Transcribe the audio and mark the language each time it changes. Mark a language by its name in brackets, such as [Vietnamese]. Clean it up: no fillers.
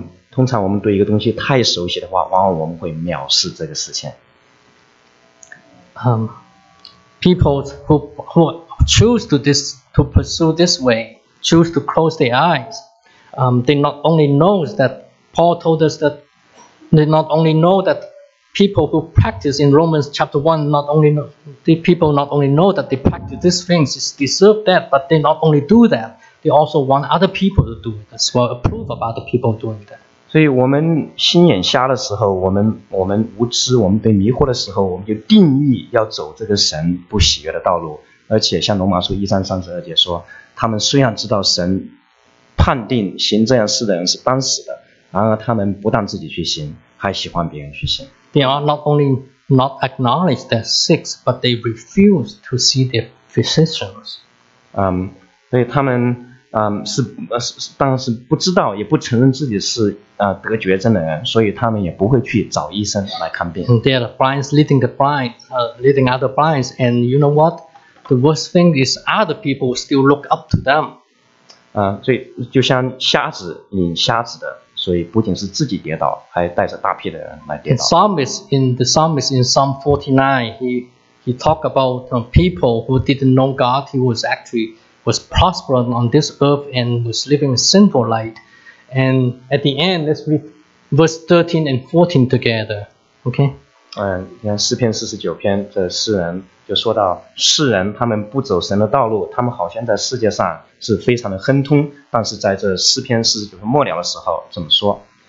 [Chinese] 通常我们对一个东西太熟悉的话，往往我们会藐视这个事情。 [English] People who choose to pursue this way, choose to close their eyes, they not only know that Paul told us that they not only know that people who practice in Romans chapter 1, not only know that they practice these things deserve that, but they not only do that, they also want other people to do it as well, approve of other people doing that. [Chinese] 所以我们心眼瞎的时候，我们无知，我们被迷惑的时候，我们就定义要走这个神不喜悦的道路。而且像罗马书一章三十二节说，他们虽然知道神判定行这样事的人是当死的，然而他们不但自己去行，还喜欢别人去行。 [English] They are not only not acknowledge their sins, but they refuse to see their physicians. [Chinese] 所以他们当然是不知道，也不承认自己是得绝症的人，所以他们也不会去找医生来看病。 [English] They are the blind leading the blind, leading other blinds, and you know what? The worst thing is other people still look up to them. [Chinese] 所以就像瞎子引瞎子的，所以不仅是自己跌倒，还带着大批的人来跌倒。 [English] In the psalmist in Psalm 49, he talked about people who didn't know God, he was actually was prospering on this earth and was living a sinful life. And at the end, let's read verse 13 and 14 together. Okay? [Chinese] 诗篇49篇，这诗人就说到，世人他们不走神的道路，他们好像在世界上是非常的亨通，但是在这诗篇49篇末了的时候，这么说。